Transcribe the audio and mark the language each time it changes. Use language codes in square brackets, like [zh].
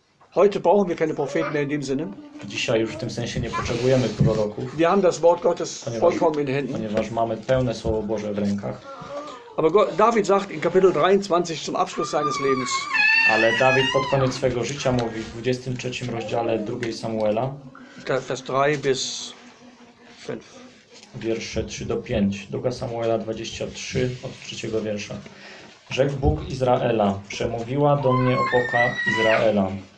[de] Heute brauchen wir keine Propheten mehr in dem Sinne. [pl] Dzisiaj już w tym sensie nie potrzebujemy proroków. [de] Wir haben das Wort Gottes vollkommen in Händen. [pl] Ponieważ mamy pełne Słowo Boże w rękach. [de] Aber David sagt in Kapitel 23 zum Abschluss seines Lebens. [pl] Ale Dawid pod koniec swojego życia mówi w 23 rozdziale 2 Samuela. [de] Vers 3 bis 5. [pl] Wiersze 3 do 5. 2 Samuela 23 od 3 wiersza. Rzekł Bóg Izraela, przemówiła do mnie opoka Izraela.